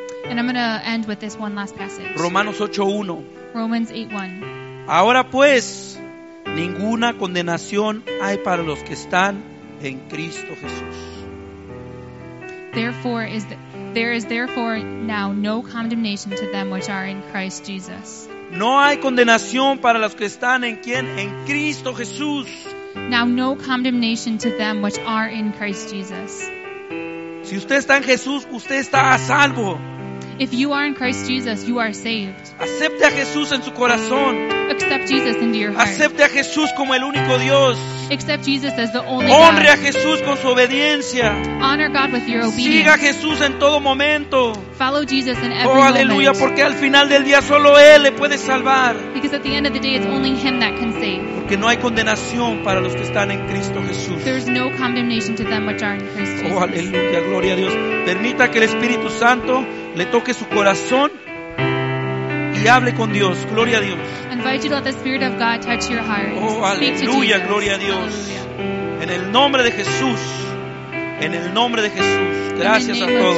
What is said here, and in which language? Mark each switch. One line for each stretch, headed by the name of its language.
English: And I'm going to end with this one last passage.
Spanish: Romanos 8:1.
English: Romans 8:1.
Spanish: Ahora pues, ninguna condenación hay para los que están en Cristo Jesús.
English: There is therefore now no condemnation to them which are in Christ Jesus.
Spanish: No hay condenación para los que están en quién? En Cristo Jesús.
English: Now no condemnation to them which are in Christ Jesus.
Spanish: Si usted está en Jesús, usted está a salvo.
English: If you are in Christ Jesus, you are saved.
Spanish: Acepte a Jesús en su corazón.
English: Accept Jesus into your heart.
Spanish: Acepte a Jesús como el único Dios.
English: Accept Jesus as the only God.
Spanish: Honre a Jesús con su obediencia.
English: Honor God with your obedience.
Spanish: Siga a Jesús en todo momento.
English: Follow Jesus in every moment. Oh, aleluya, moment.
Spanish: Porque al final del día solo Él le puede salvar.
English: Because at the end of the day, it's only Him that can save.
Spanish: Porque no hay condenación para los que están en Cristo Jesús.
English: There's no condemnation to them which are in Christ Jesus.
Spanish: Oh, aleluya, gloria a Dios. Permita que el Espíritu Santo le toque su corazón y hable con Dios. Gloria a Dios.
English: Invite you to let the Spirit of God touch your heart.
Spanish: Oh, aleluya, gloria a Dios.
English: Hallelujah.
Spanish: En el nombre de Jesús. En el nombre de Jesús. Gracias a todos.